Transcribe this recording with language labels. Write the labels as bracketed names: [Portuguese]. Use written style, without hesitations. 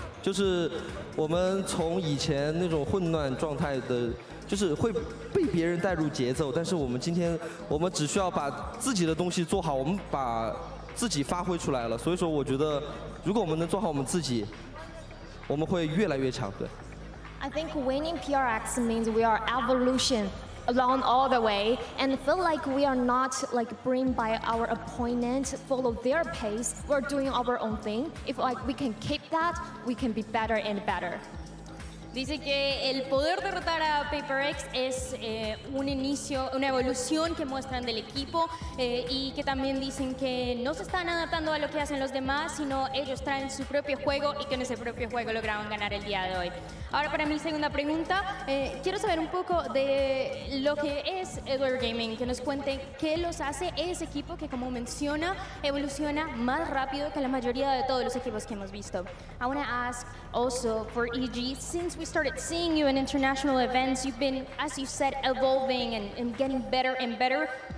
[Chinese] 就是我们从以前那种混乱状态的，就是会被别人带入节奏。但是我们今天，我们只需要把自己的东西做好，我们把自己发挥出来了。所以说，我觉得如果我们能做好我们自己，我们会越来越强。对。 [English] I think winning PRX means we are evolution along all the way, and feel like we are not like bring by our opponent, follow their pace, we're doing our own thing. If like we can keep that, we can be better and better. [Spanish] Dice que el poder derrotar a PRX es un inicio, una evolución que muestran del equipo y que también dicen que no se están adaptando a lo que hacen los demás, sino ellos traen su propio juego y que en ese propio juego lograron ganar el día de hoy. Ahora para mi segunda pregunta, quiero saber un poco de lo que es Edward Gaming, que nos cuente qué los hace ese equipo que, como menciona, evoluciona más rápido que la mayoría de todos los equipos que hemos visto. [English] I want to ask also for EG, since we started seeing you in international events, you've been, as you said, evolving and getting better and better.